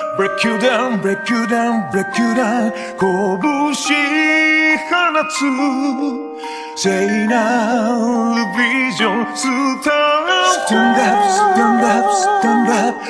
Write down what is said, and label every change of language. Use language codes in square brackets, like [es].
[en] Break you down, break you down, break you down. [ja] 拳放つ聖なるビジョン、スター。 [en] Stand up, stand up, stand up.